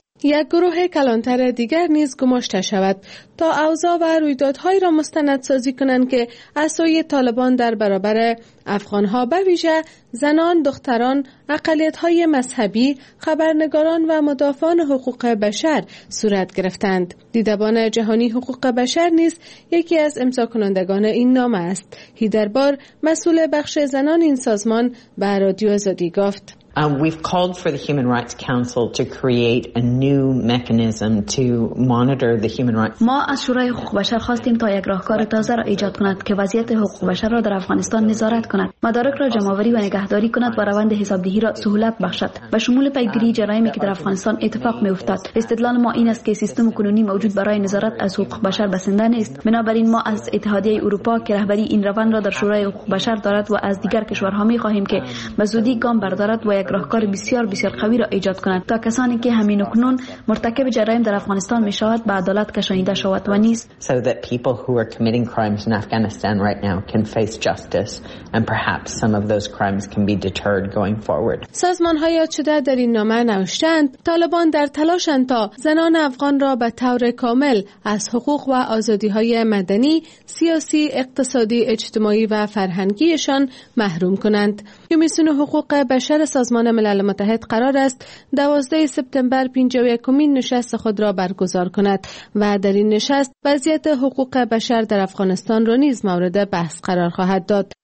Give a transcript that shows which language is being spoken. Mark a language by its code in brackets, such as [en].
[fa] یک گروه کلانتر دیگر نیز گماشته شود تا اوضاع و رویدادهای را مستند سازی کنند که از سوی طالبان در برابر افغانها به ویژه زنان، دختران، اقلیت‌های مذهبی، خبرنگاران و مدافعان حقوق بشر صورت گرفتند. دیدبان جهانی حقوق بشر نیز یکی از امضا کنندگان این نامه است. هیدربار، مسئول بخش زنان این سازمان، به رادیو آزادی گفت: [en] We've called for the Human Rights Council to create a new mechanism to monitor the human rights. [fa] ما از شورای حقوق بشر خواستیم تا یک راهکار تازه را ایجاد کند که وضعیت حقوق بشر را در افغانستان نظارت کند. مدارک را جمع‌آوری و نگهداری کند و روند حسابدهی را سهولت بخشد. به شمول پیگیری جرایمی که در افغانستان اتفاق می‌افتد. استدلال ما این است که سیستم کنونی موجود برای نظارت از حقوق بشر بسنده نیست. بنابراین ما از اتحادیه اروپا که رهبری این روند را در شورای حقوق بشر دارد و از دیگر کشورها می‌خواهیم که به زودی گام بردارد و یک راهکار بسیار بسیار قوی را ایجاد کند تا کسانی که همین اکنون مرتکب جرایم در افغانستان می شود به عدالت کشانیده شود و نیز [en] so that people who are committing crimes in Afghanistan right now can face justice and perhaps some of those crimes can be deterred going forward. [fa] سازمان های یاد شده در این نامه نوشتند طالبان در تلاشند تا زنان افغان را به طور کامل از حقوق و آزادی های مدنی، سیاسی، اقتصادی، اجتماعی و فرهنگیشان محروم کنند. کمیسیون حقوق بشر سازمان ملل متحد قرار است 12 سپتامبر 51مین نشست خود را برگزار کند و در این نشست وضعیت حقوق بشر در افغانستان را نیز مورد بحث قرار خواهد داد.